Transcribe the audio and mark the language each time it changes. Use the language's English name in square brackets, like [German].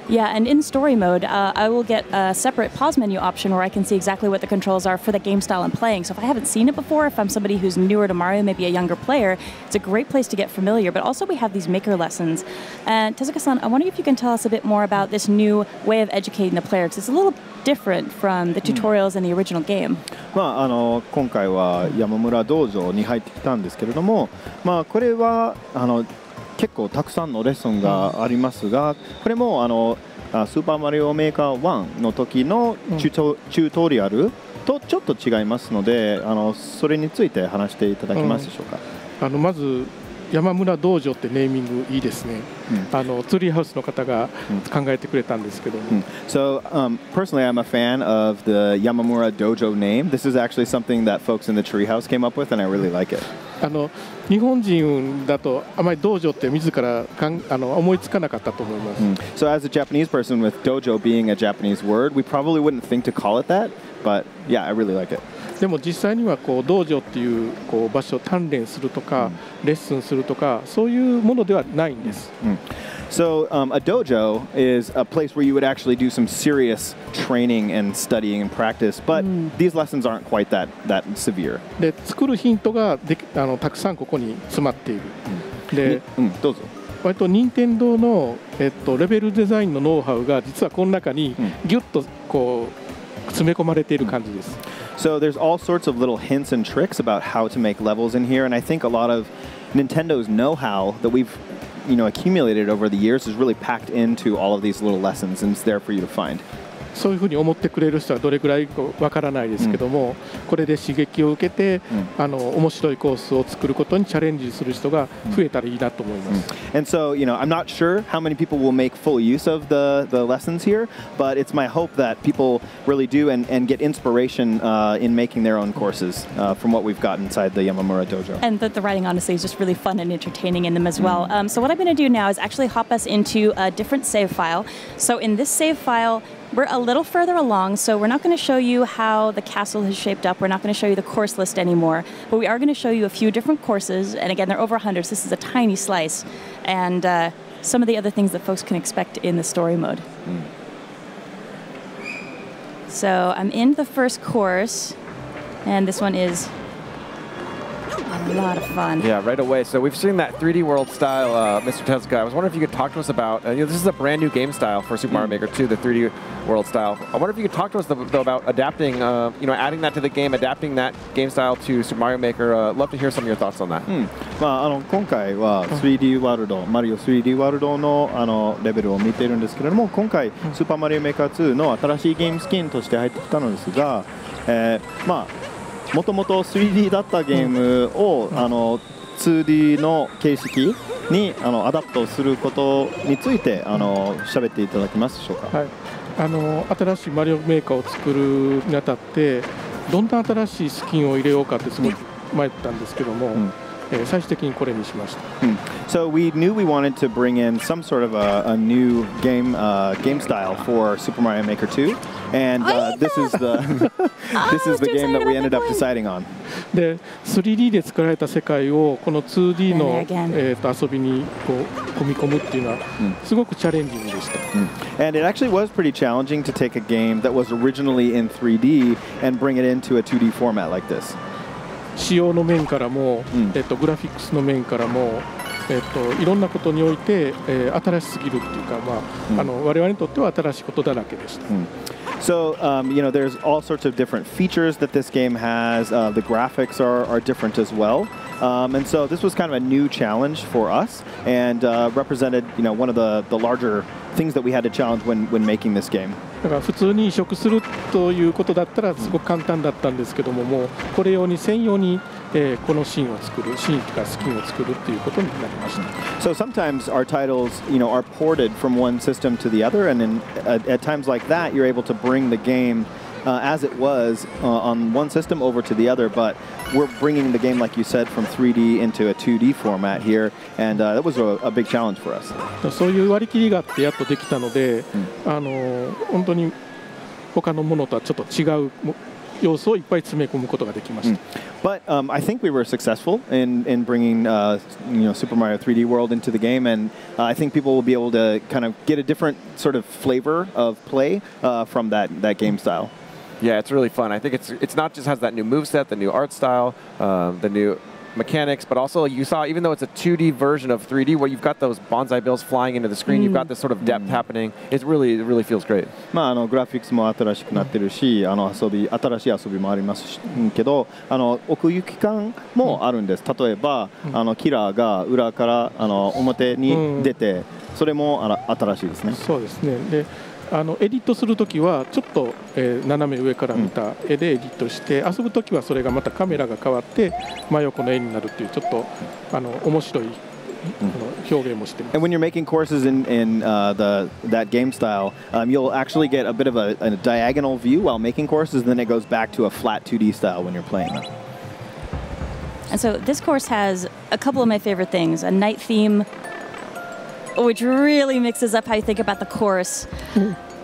[English] Yeah, and in story mode, I will get a separate pause menu option where I can see exactly what the controls are for the game style I'm playing. So if I haven't seen it before, if I'm somebody who's newer to Mario, maybe a younger player, it's a great place to get familiar. But also we have these maker lessons. And Tezuka-san, I wonder if you can tell us a bit more about this new way of educating the player, because it's a little... different from the tutorials in the original game. [Japanese] まあ、今回は山村道場に入ってきたんですけれども、まあ、これは結構たくさんのレッスンがありますが、これもスーパーマリオメーカー1の時のチュートリアルとちょっと違いますので、それについて話していただけますでしょうか。まず山村道場ってネーミングいいですね。ツリーハウスの方が考えてくれたんですけども。 [English] So, personally, I'm a fan of the Yamamura Dojo name. This is actually something that folks in the Treehouse came up with, and I really like it. [Japanese] 日本人だとあまり道場って自ら思いつかなかったと思います。 [English] So, as a Japanese person with dojo being a Japanese word, we probably wouldn't think to call it that, but yeah, I really like it. [Japanese] でも実際にはこう道場っていう、 こう場所を鍛錬するとか、レッスンするとか、そういうものではないんです。 [English] So, a dojo is a place where you would actually do some serious training and studying and practice, but these lessons aren't quite that severe. [Japanese] で、作るヒントができ、たくさんここに詰まっている。で、どうぞ。割と任天堂の、レベルデザインのノウハウが実はこの中にギュッとこう詰め込まれている感じです。 [English] So there's all sorts of little hints and tricks about how to make levels in here, and I think a lot of Nintendo's know-how that we've, you know, accumulated over the years is really packed into all of these little lessons, and it's there for you to find. [Japanese] そういうふうに思ってくれる人はどれくらいかわからないですけども、これで刺激を受けて、あの、面白いコースを作ることにチャレンジする人が増えたらいいなと思います。 [English] And so, you know, I'm not sure how many people will make full use of the lessons here, but it's my hope that people really do and get inspiration in making their own courses from what we've got inside the Yamamura Dojo. And the writing, honestly, is just really fun and entertaining in them as well. So what I'm going to do now is actually hop us into a different save file. So in this save file,We're a little further along, so we're not going to show you how the castle has shaped up. We're not going to show you the course list anymore. But we are going to show you a few different courses. And again, they're over 100, so this is a tiny slice. And some of the other things that folks can expect in the story mode. So I'm in the first course, and this one is... A lot of fun. Yeah, right away. So we've seen that 3D world style, Mr. Tezuka. I was wondering if you could talk to us about, you know, this is a brand new game style for Super Mario Maker 2, the 3D world style. I wonder if you could talk to us, though, about adapting, you know, adding that to the game, adapting that game style to Super Mario Maker. Love to hear some of your thoughts on that. [Japanese] まあ、あの、今回は 3D ワールド、マリオ 3D ワールドの、あの、レベルを見ているんですけれども、今回、Super Mario Maker 2の新しいゲームスキンとして入ってきたのですが、まあ、もともと 3D だったゲームを、うん、あの 2D の形式にあのアダプトすることについてあの喋っていただけますでしょうか、はい、あの新しいマリオメーカーを作るにあたってどんな新しいスキンを入れようかってすごく迷ったんですけども、うん最終的にこれにしました、 [English] うん、So we knew we wanted to bring in some sort of a new game, game style for Super Mario Maker 2 and this is the, this is the game that we ended up deciding on [Japanese] で 3D で作られた世界をこの 2D の遊びにこう込み込むっていうのはすごくチャレンジングでした、うん、 [English] And it actually was pretty challenging to take a game that was originally in 3D and bring it into a 2D format like this [Japanese] 仕様の面からも、うんグラフィックスの面からも、いろんなことにおいて、新しすぎるっていうか、まあうん、あの我々にとっては新しいことだらけでした、うん、 [English] So, you know, there's all sorts of different features that this game has the graphics are different as well and so this was kind of a new challenge for us and represented, you know, one of the larger things that we had to challenge when making this game [Japanese] だから普通に移植するということだったらすごく簡単だったんですけどももうこれ用に専用に、このシーンを作るシーンとかスキンを作るっていうことになりました [English] So sometimes our titles, you know, are ported from one system to the other and in, at times like that you're able to bring the game as it was on one system over to the other but we're bringing the game like you said from 3D into a 2D format here and that was a big challenge for us [Japanese] そういう割り切りがあってやっとできたので、うん、あの本当に他のものとはちょっと違う要素をいっぱい詰め込むことができました、う [English] ん、But I think we were successful in bringing you know, Super Mario 3D World into the game and I think people will be able to kind of get a different sort of flavor of play from that game style Yeah, it's really fun. I think it's not just has that new moveset, the new art style, the new mechanics, but also you saw, even though it's a 2D version of 3D, where you've got those bonsai bills flying into the screen, you've got this sort of depth happening. It really feels great. [Japanese] まあ、あの、グラフィックスも新しくなってるし、あの、遊び、新しい遊びもありますけど、あの、奥行き感もあるんです。例えば、あの、キラーが裏から、あの、表に出て、それも、あの、新しいですね。そうですね。で、あのエディットするときはちょっと、斜め上から見た絵でエディットして、うん、遊ぶときはそれがまたカメラが変わって真横の絵になるっていうちょっとあの面白い、うん、表現もしてます [English] And when you're making courses in that game style you'll actually get a bit of a diagonal view while making courses and then it goes back to a flat 2D style when you're playing And so this course has a couple of my favorite things a night themeWhich really mixes up how you think about the course. Mm.